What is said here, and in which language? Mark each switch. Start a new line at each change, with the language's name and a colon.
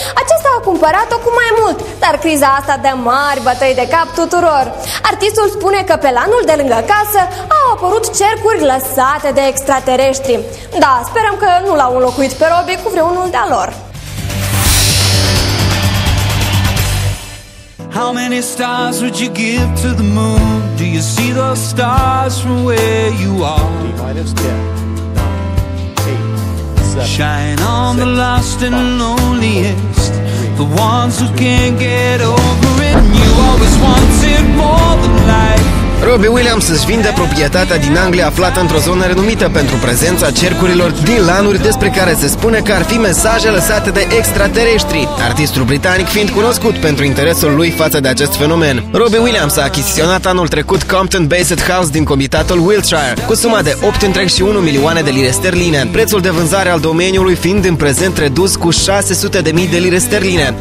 Romanian: Acesta a cumpărat-o cu mai mult, dar criza asta dă mari bătăi de cap tuturor. Artistul spune că pe lanul de lângă casă au apărut cercuri lăsate de extraterestri. Da, sperăm că nu l-au înlocuit pe Robbie cu vreunul de-a lor.
English: How many stars would you give to the moon? Do you see those stars from where you are? Shine on the lost and loneliest, the ones who can't get over it. And you always wanted more than life.
Romanian: Robbie Williams își vinde proprietatea din Anglia, aflată într-o zonă renumită pentru prezența cercurilor din lanuri, despre care se spune că ar fi mesaje lăsate de extraterestri, artistul britanic fiind cunoscut pentru interesul lui față de acest fenomen. Robbie Williams a achiziționat anul trecut Compton Basset House din comitatul Wiltshire, cu suma de 8,1 milioane de lire sterline, prețul de vânzare al domeniului fiind în prezent redus cu 600.000 de lire sterline.